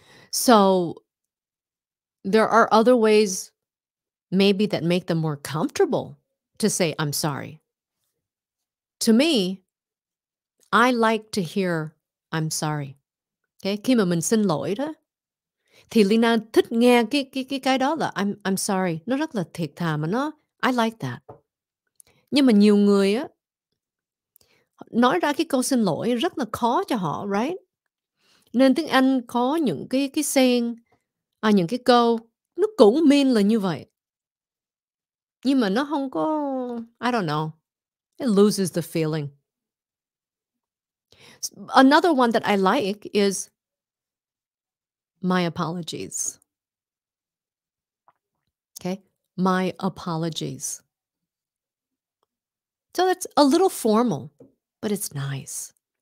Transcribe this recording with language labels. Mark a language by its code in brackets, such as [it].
[en] So there are other ways maybe that make them more comfortable to say, I'm sorry. To me, I like to hear, I'm sorry. [vi] Okay, khi mà mình xin lỗi đó. Thì Leyna thích nghe cái đó là [en] I'm sorry. [vi] Nó rất là thiệt thà mà nó [en] I like that. [vi] Nhưng mà nhiều người á nói ra cái câu xin lỗi rất là khó cho họ, right? Nên tiếng Anh có những cái saying, những cái câu nó cũng mean là như vậy. Nhưng mà nó không có [en] I don't know. It loses the feeling. Another one that I like is my apologies. Okay, my apologies. So that's a little formal, but it's nice.